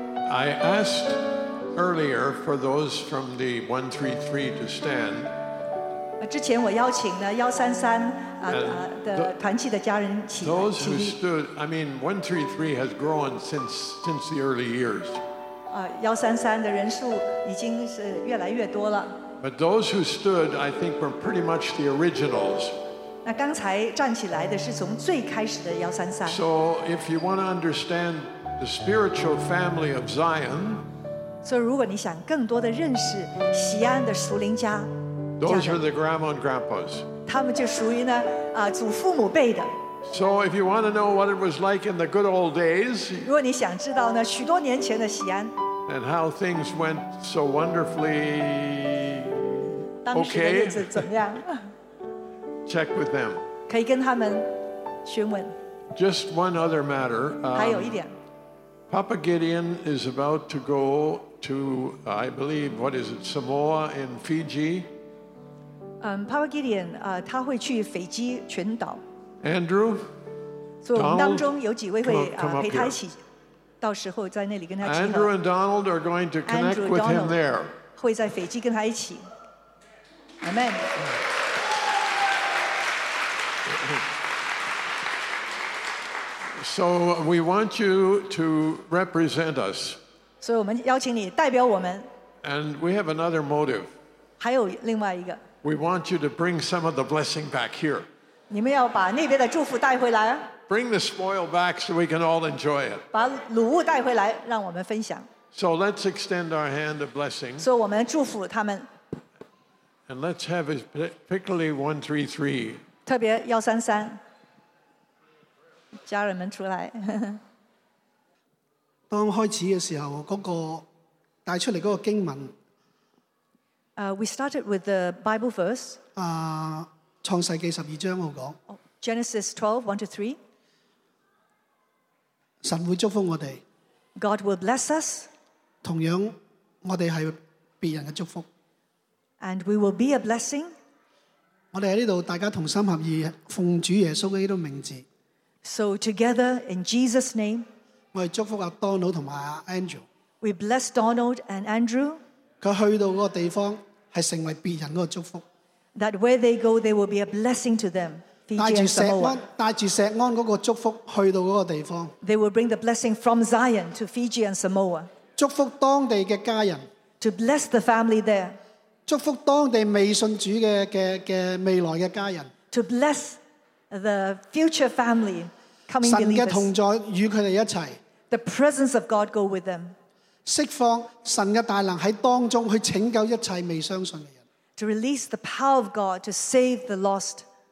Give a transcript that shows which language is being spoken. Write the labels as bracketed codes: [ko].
[en] I asked earlier for those from the 133 to stand. [zh] 之前我邀请的133的团契的家人起立。 [en] Those who stood, I mean, 133 has grown since the early years. [zh] 133的人数已经是越来越多了。 [en] But those who stood, I think, were pretty much the originals. [zh] 那刚才站起来的是从最开始的133。 [en] So if you want to understand the spiritual family of Zion, [zh] 所以如果你想更多的认识锡安的属灵家。 [en] Those are the grandma and grandpas. [zh] 他们就属于呢，祖父母辈的。 [en] So if you want to know what it was like in the good old days, [zh] 如果你想知道呢，许多年前的西安。 [en] And how things went so wonderfully. Okay. [zh] 当时的日子怎么样？ [en] Check with them. [zh] 可以跟他们询问。 [en] Just one other matter. [zh] 还有一点。 [en] Papa Gideon is about to go to, I believe, what is it, Samoa in Fiji. [zh] Papa Gideon, 他会去斐济群岛。 [en] Andrew, [zh] 所以我们当中有几位会陪他一起，到时候在那里跟他集合。 [en] Andrew and Donald are going to connect with him there. [zh] 会在斐济跟他一起。Amen. [en] So we want you to represent us. [zh] 所以我们邀请你代表我们。 [en] And we have another motive. [zh] 还有另外一个。 [en] We want you to bring some of the blessing back here. [zh] 你们要把那边的祝福带回来。 [en] Bring the spoil back so we can all enjoy it. [zh] 把礼物带回来，让我们分享。 [en] So let's extend our hand of blessing. [zh] 所以我们祝福他们。 [en] And let's have it, particularly 133. [zh] 特别133。家人们出来。当开始的时候，那个带出来那个经文。 [en] We started with the Bible verse. [zh] 创世记十二章我讲。 [en] Genesis 12, 1 to 3. [zh] 神会祝福我们。 [en] God will bless us. [zh] 同样，我们是别人的祝福。 [en] And we will be a blessing. [zh] 我们在这里，大家同心合意，奉主耶稣基督的名字。 [en] So together in Jesus' name, [zh] 我们祝福阿 Donald 同阿 Andrew. [en] We bless Donald and Andrew. [zh] 他去到那个地方是成为别人的祝福。 [en] That where they go, there will be a blessing to them. [zh] 带着锡安那个祝福去到那个地方。 [en] They will bring the blessing from Zion to Fiji and Samoa. [zh] 祝福当地的家人。 [en] To bless the family there. [zh] 祝福当地未信主的未来的家人。 [en] To bless the future family coming believers. [zh] 神的同在与他们一起。 [en] The presence of God go with them. [zh] 释放神的大能在当中去拯救一切未相信的人。 [en] To release the power of God to save the lost.